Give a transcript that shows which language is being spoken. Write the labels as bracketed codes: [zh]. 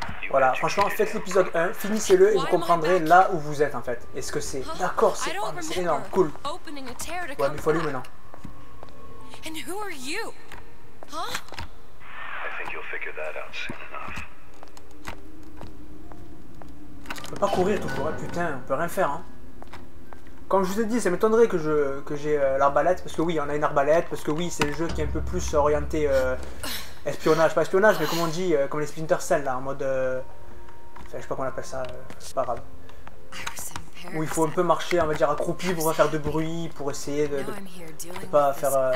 [fr] Voilà, franchement, faites l'épisode 1, finissez-le et vous comprendrez là où vous êtes en fait. Est-ce que c'est d'accord, c'est, oh, c'est énorme, cool. Ouais, mais faut aller maintenant. [en] And who are you? [fr] Huh? [en] I think you'll figure that out soon enough. [fr] On peut pas courir toujours, hein, putain, on peut rien faire, hein. Comme je vous ai dit, ça m'étonnerait que j'ai l'arbalète, parce que oui, on a une arbalète, parce que oui, c'est le jeu qui est un peu plus orienté espionnage, pas espionnage, mais comme on dit, comme les Splinter Cell, là, en mode... je sais pas comment on appelle ça, c'est pas grave. Où il faut un peu marcher, on va dire, accroupi pour pas faire de bruit, pour essayer de pas faire...